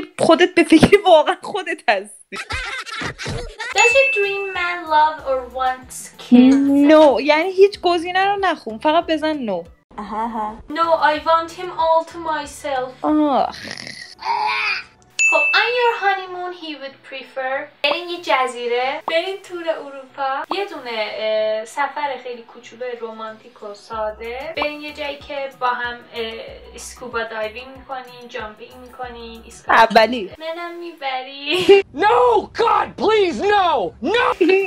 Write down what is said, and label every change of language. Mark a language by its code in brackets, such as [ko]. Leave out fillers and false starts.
[fa] که خودت به فکر واقعا خودت هستی. [en] Does your dream man love or wants kids? [fa] No، یعنی هیچ گزینه رو نخون، فقط بزن no. [en] No، I want him all to myself. خب on your honeymoon he would prefer. [fa] برین یه جزیره، برین تور اروپا، یه دونه سفر خیلی کوچولو رومانتیک و ساده، برین یه جایی که با هم اسکوبا دایوینگ میکنین، جامپینگ میکنین. اولی منم میبری. [en] No God please no no.